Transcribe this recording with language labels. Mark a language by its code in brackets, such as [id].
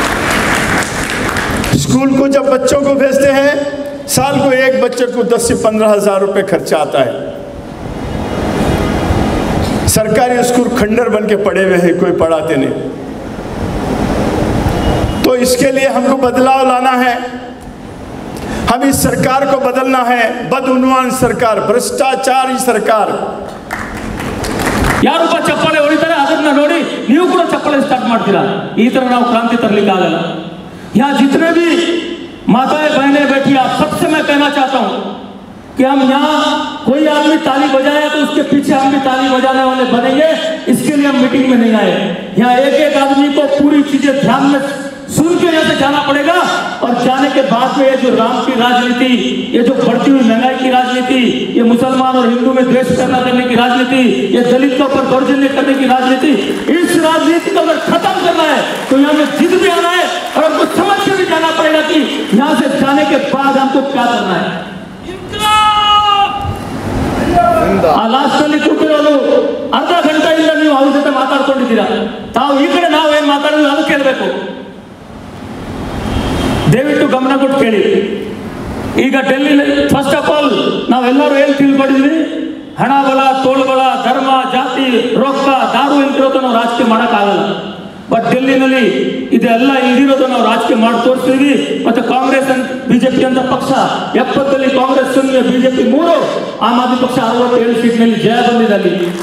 [hi] School को जब बच्चों को भेजते हैं, साल को एक बच्चे को 10 से 15 हजार रुपए खर्चा आता है। सरकारी स्कूल खंडर बन के पड़े हुए हैं, कोई पढ़ाते नहीं। तो इसके लिए हमको बदलाव लाना है, हम इस सरकार को बदलना है। बदउनवान सरकार, भ्रष्टाचारी सरकार। [kn] ಯಾರು ಪಾ ಚಪ್ಪಾಳೆ ಹೊಡಿತಾರೆ ಅದನ್ನ ನೋಡಿ ನೀವು ಕೂಡ ಚಪ್ಪಾಳೆ ಸ್ಟಾರ್ಟ್ ಮಾಡ್ತೀರಾ? ಈ ತರ ನಾವು ಕ್ರಾಂತಿ ತರಲಿಕ್ಕೆ ಆಗಲ್ಲ। [hi] यहाँ जितने भी माताएं बहने बैठी, आप सबसे मैं कहना चाहता हूं कि हम यहाँ कोई आदमी ताली बजाया तो उसके पीछे हम भी ताली बजाने वाले बनेंगे। इसके लिए हम मीटिंग में नहीं आए। यहाँ एक एक आदमी को पूरी चीजें ध्यान में सुन के यहाँ से जाना पड़ेगा और जाने के बाद में ये जो राम की राजनीति, ये जो बढ़ती हुई महंगाई की राजनीति, ये मुसलमान और हिंदू में द्वेष पैदा करने की राजनीति, ये दलित के ऊपर दौर्जन्य करने की राजनीति, इस राजनीति को अगर खत्म करना है तो यहाँ में जीत भी आना है और हमको समझ के भी जाना पड़ेगा कि यहाँ से जाने के बाद हमको क्या करना है। अर्ध घंटा जो मतलब तक ना कहो [kn] ದಯವಿಟ್ಟು ಗಮನ ಕೊಟ್ಟು ಕೇಳಿ। ಈಗ ಡೆಲ್ಲಿಲಿ [en] first of all [kn] ನಾವೆಲ್ಲರೂ ಏನು ತಿಳ್ಕೊಂಡಿದ್ವಿ, ಹಣ ಬಲ, ತೋಳು ಬಲ, ಧರ್ಮ, ಜಾತಿ, ರೊಕ್ಕ, ದಾರು ಇಂತಿರೋದು ನಾವು ರಾಜಕೀಯ ಮಾಡೋಕ್ಕಾಗಲ್ಲ। ಬಟ್ ಡೆಲ್ಲಿನಲ್ಲಿ ಇದೆಲ್ಲ ಇಲ್ದಿರೋದು ನಾವು ರಾಜಕೀಯ ಮಾಡಿ ತೋರಿಸ್ತೀವಿ। ಮತ್ತು ಕಾಂಗ್ರೆಸ್ ಅಂತ ಬಿಜೆಪಿ ಅಂತ ಪಕ್ಷ 70ರಲ್ಲಿ ಕಾಂಗ್ರೆಸ್ 0 ಬಿಜೆಪಿ 3, ಆಮ್ ಆದ್ಮಿ ಪಕ್ಷ 67 ಸೀಟ್ನಲ್ಲಿ ಜಯ ಬಂದಿದೆ ಅಲ್ಲಿ।